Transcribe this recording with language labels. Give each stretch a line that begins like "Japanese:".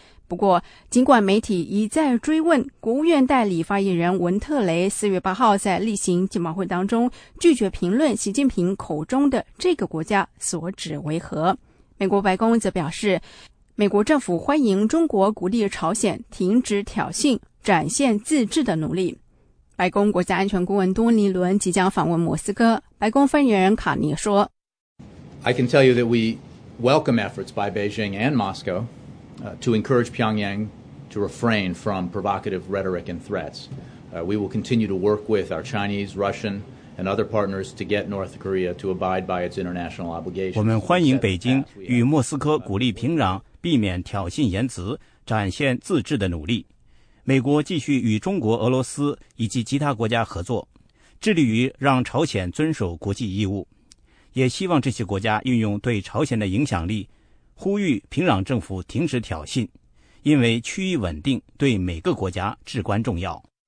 Chinese: 不过，尽管媒体一再追问，国务院代理发言人文特雷4月8号在例行经贸会当中拒绝评论习近平口中的这个国家所指为何。美国白宫则表示，美国政府欢迎中国鼓励朝鲜停止挑衅，展现自治的努力。白宫国家安全顾问多尼伦即将访问莫斯科，白宫发言人卡尼说
English: I can tell you that we welcome efforts by Beijing and Moscow. To encourage Pyongyang to refrain from provocative rhetoric and threats. We will continue to work with our Chinese, Russian, and other partners to get North Korea to abide by its international obligations.
Chinese: 我们欢迎北京与莫斯科鼓励平壤避免挑衅言辞，展现自治的努力。美国继续与中国、俄罗斯以及其他国家合作，致力于让朝鲜遵守国际义务。也希望这些国家运用对朝鲜的影响力呼吁平壤政府停止挑衅，因为区域稳定对每个国家至关重要。